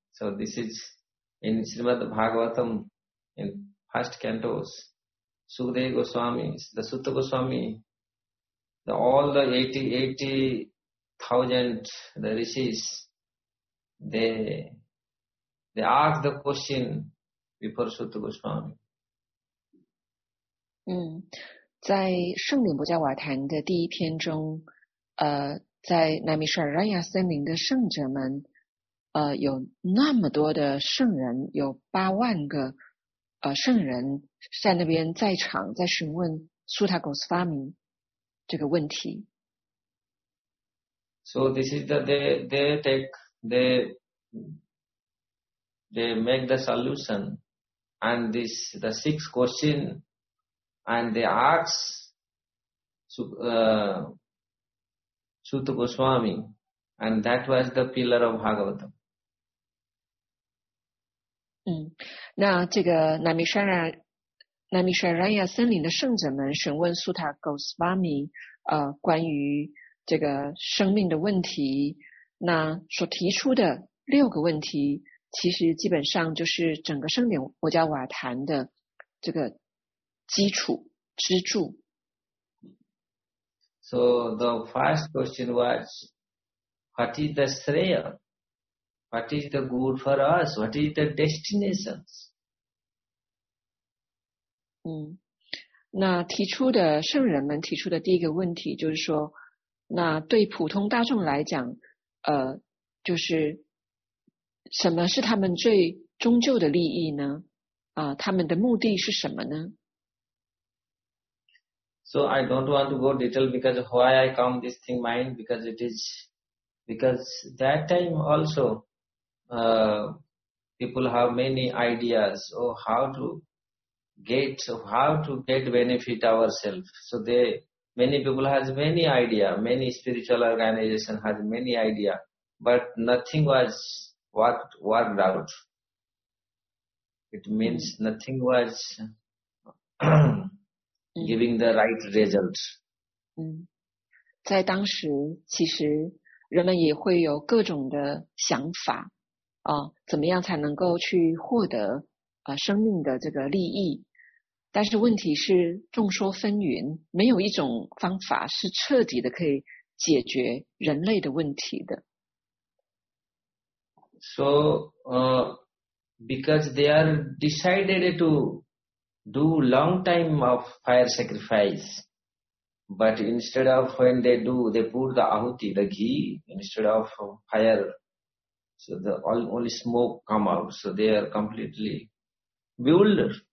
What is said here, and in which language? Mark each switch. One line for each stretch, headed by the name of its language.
English: So this is in Srimad Bhagavatam, in first cantos, Sukadeva Goswami, the Sutta Goswami, all the 80,000 the rishis, they ask the question before Sutta Goswami.
Chinese: 在圣顶不加瓦坛的第一篇中，在南米舍尔兰亚森林的圣者们，有那么多的圣人，有8万个圣人在那边在场，在询问苏塔古斯法米这个问题。
English: So this is the they make the solution and this the six question. And they ask Sutta Goswami, and that was the pillar of Bhagavatam.
Chinese: 那这个南米沙拉雅森林的圣者们询问 Sutta Goswami, 关于这个生命的问题，那所提出的6个问题，其实基本上就是整个圣顶不加瓦坛的这个基础。支柱。
English: So the first question was, what is the Shreya? What is the good for us? What is the destinations?
Chinese: 那提出的圣人们提出的第一个问题就是说，那对普通大众来讲，就是什么是他们最终究的利益呢？他们的目的是什么呢？
English: So I don't want to go detail because why I come this thing mind because it is because that time also people have many ideas of how to get benefit ourselves. So many people has many idea, many spiritual organization has many idea, but nothing was worked out. It means nothing was. giving the right results.
Chinese: 在当时其实人们也会有各种的想法怎么样才能够去获得生命的这个利益。但是问题是众说纷纭，没有一种方法是彻底的可以解决人类的问题的。
English: So, because they are decided to do long time of fire sacrifice, but instead of when they do, they put the ahuti, the ghee, instead of fire, so the only smoke come out, so they are completely bewildered.